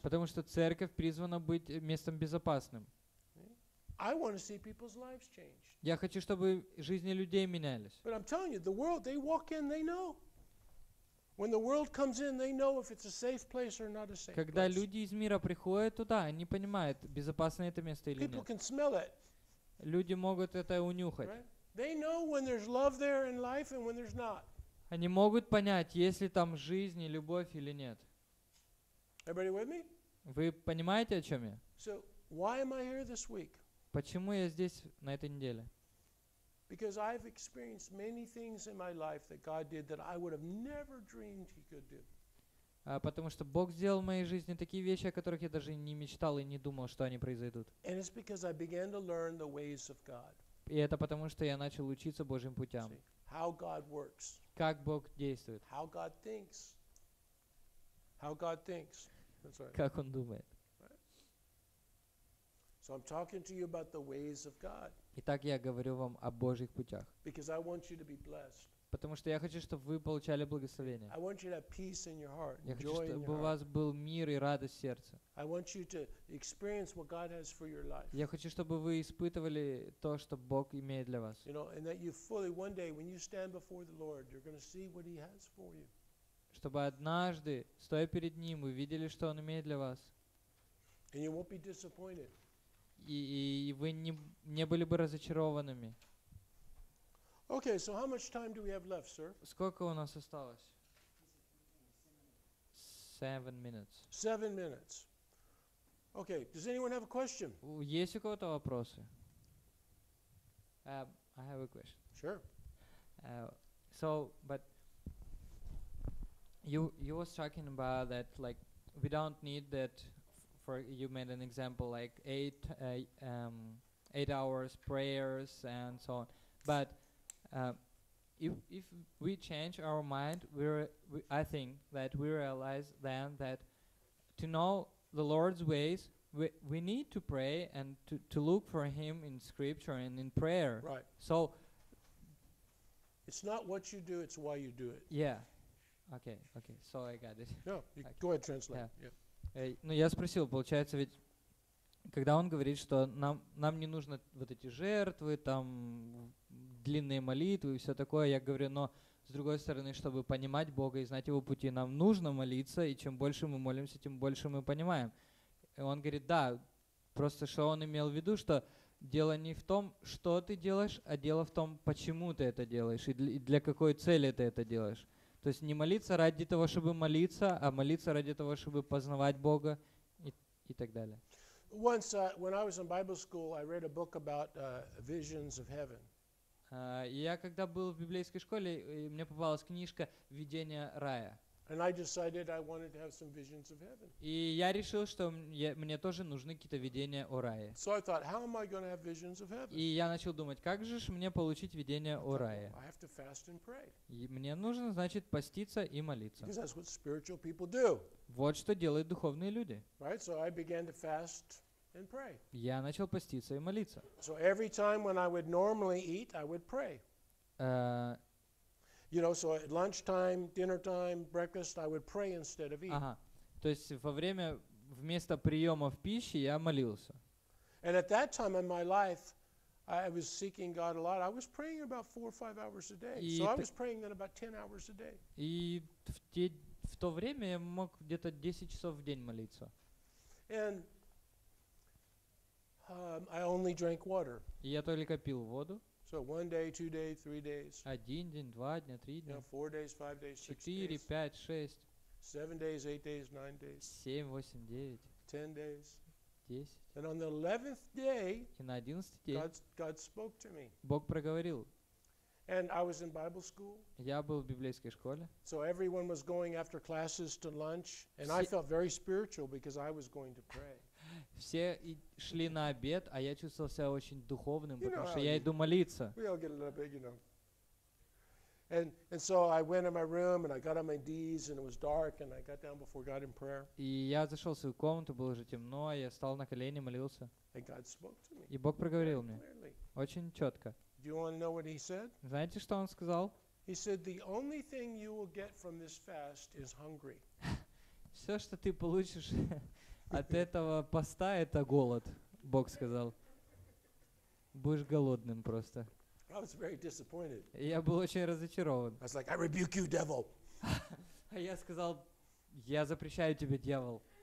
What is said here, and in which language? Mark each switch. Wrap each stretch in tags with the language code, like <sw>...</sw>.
<ru>Потому что церковь призвана быть местом безопасным.</ru> <en>I want to see people's lives changed.</en> <ru>Я хочу, чтобы жизни людей менялись.</ru> <en>But I'm telling you, the world, they walk in, they know. When the world comes in, they know if it's a safe place or not a safe place.</en> <ru>Когда люди из мира приходят туда, они понимают, безопасно это место или нет.</ru> <en>People can smell it.</en> <ru>Люди могут это унюхать.</ru> <en>They know when there's love there in life and when there's not.</en> <ru>Они могут понять, есть ли там жизнь и любовь или нет.</ru> <en>Everybody with me?</en> <ru>Вы понимаете, о чем я?</ru> <en>So why am I here this week?</en> <ru>Почему я здесь на этой неделе?</ru> <en>Because I've experienced many things in my life that God did that I would have never dreamed He could do.</en> <ru>Потому что Бог сделал в моей жизни такие вещи, о которых я даже не мечтал и не думал, что они произойдут.</ru> <en>And it's because I began to learn the ways of God.</en> <ru>И это потому, что я начал учиться Божьим путям.</ru> <en>See, how God works.</en> <ru>Как Бог действует.</ru> <en>How God thinks. How God thinks.</en> <ru>Как Он думает.</ru> <en>So I'm talking to you about the ways of God.</en> <ru>Итак, я говорю вам о Божьих путях.</ru> <en>Because I want you to be blessed.</en> <ru>Потому что я хочу, чтобы вы получали благословение.</ru> <en>I want you to have peace in your heart,</en> <ru>я хочу, чтобы у вас</ru> <en>heart.</en> <ru>Был мир и радость сердца.</ru> <en>I want you to experience what God has for your life.</en> <ru>Я хочу, чтобы вы испытывали то, что Бог имеет для вас.</ru> <en>You know, and that you fully one day when you stand before the Lord, you're going to see what He has for you.</en> <ru>Чтобы однажды, стоя перед Ним, вы видели, что Он имеет для вас.</ru> <en>And you won't be disappointed.</en> <ru>И вы не были бы разочарованными.</ru> <en>Okay, so how much time do we have left, sir?</en> <ru>Сколько у нас осталось?</ru> <en>7 minutes. 7 minutes. Okay, does anyone have a question?</en> <ru>Есть у кого-то вопросы?</ru> <en>I have a question. Sure. But you was talking about that, like, we don't need that. You made an example like 8 hours prayers and so on, but if we change our mind, I think that we realize then that to know the Lord's ways, we need to pray and to look for Him in Scripture and in prayer. Right. So it's not what you do; it's why you do it. Yeah. Okay. So I got it. No. Go ahead. Translate. Yeah.</en> <ru>Ну, я спросил, получается, ведь когда он говорит, что нам не нужно вот эти жертвы, там длинные молитвы и все такое, я говорю, но с другой стороны, чтобы понимать Бога и знать Его пути, нам нужно молиться, и чем больше мы молимся, тем больше мы понимаем. И он говорит, да, просто что он имел в виду, что дело не в том, что ты делаешь, а дело в том, почему ты это делаешь и для какой цели ты это делаешь. То есть не молиться ради того, чтобы молиться, а молиться ради того, чтобы познавать Бога и так далее.</ru> <en>Once, when I was in Bible school, I read a book about visions of heaven.</en> <ru>Я когда был в библейской школе, мне попалась книжка «Видение рая».</ru> <en>And I decided I wanted to have some visions of heaven.</en> <ru>И я решил, что мне тоже нужны какие-то видения о рае.</ru> <en>So I thought, how am I going to have visions of heaven?</en> <ru>И я начал думать, как же ж мне получить видение о рае?</ru> <en>I have to fast and pray.</en> <ru>И мне нужно, значит, поститься и молиться.</ru> <en>Because that's what spiritual people do.</en> <ru>Вот что делают духовные люди.</ru> <en>Right, so I began to fast and pray.</en> <ru>Я начал поститься и молиться.</ru> <en>So every time when I would normally eat, I would pray. You know, so at lunchtime, dinner time, breakfast, I would pray instead of eating.</en> <ru>Ага. То есть во время вместо приемов пищи я молился.</ru> <en>And at that time in my life, I was seeking God a lot. I was praying about 4 or 5 hours a day.</en> <ru>И</ru> <en>so I was praying then about 10 hours a day.</en> <ru>И в то время я мог где-то 10 часов в день молиться.</ru> <en>And I only drank water.</en> <ru>И я только пил воду.</ru> <en>So 1 day, 2 days, 3 days.</en> <ru>1 день, 2 дня, 3 дня.</ru> <en>You know, 4 days, 5 days, 6 days.</en> <ru>4, 5, 6.</ru> <en>7 days, 8 days, 9 days.</en> <ru>7, 8, 9.</ru> <en>10 days.</en> <ru>10.</ru> <en>And on the 11th day,</en> <ru>и на 11th день,</ru> <en>God spoke to me.</en> <ru>Бог проговорил.</ru> <en>And I was in Bible school.</en> <ru>Я был в библейской школе.</ru> <en>So everyone was going after classes to lunch, and I felt very spiritual because I was going to pray.</en> <ru>Все шли на обед, а я чувствовал себя очень духовным, потому что я иду молиться.</ru> <en>We all get a little bit, you know. And so I went in my room and I got on my knees and it was dark and I got down before God in prayer.</en> <ru>И я зашел в свою комнату, было уже темно, я встал на колени, молился.</ru> <en>And God spoke to me.</en> <ru>И Бог проговорил мне очень четко.</ru> <en>Do you want to know what He said?</en> <ru>Знаете, что Он сказал?</ru> <en>He said, the only thing you will get from this fast is hungry.</en> <ru>Все, что ты получишь от этого поста, это голод, Бог сказал. Будешь голодным просто.</ru> <en>I was very disappointed.</en> <ru>Я был очень разочарован.</ru> <en>I was like, I rebuke you, devil.</en> <ru>А я сказал, я запрещаю тебе, дьявол.</ru>